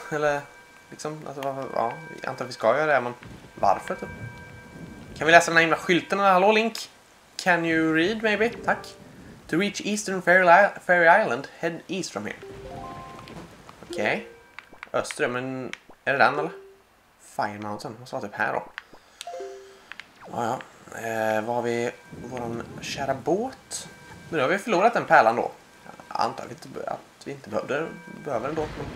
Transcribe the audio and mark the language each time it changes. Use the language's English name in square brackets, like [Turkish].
[Swedish] Eller liksom, alltså, ja, jag antar att vi ska göra det, men varför typ? Kan vi läsa den här himla skylten? Hallå [English] Link? Can you read maybe? [Swedish] Tack. [English] To reach Eastern Fairy Island, head east from here. Okej. Okay. [Swedish] Östra, men är det den eller? Fire Mountain, måste vara typ här då. Jaja. Var har vi vår kära båt? Nu har vi förlorat den pärlan då. Antar vi inte att vi inte behöver en båt.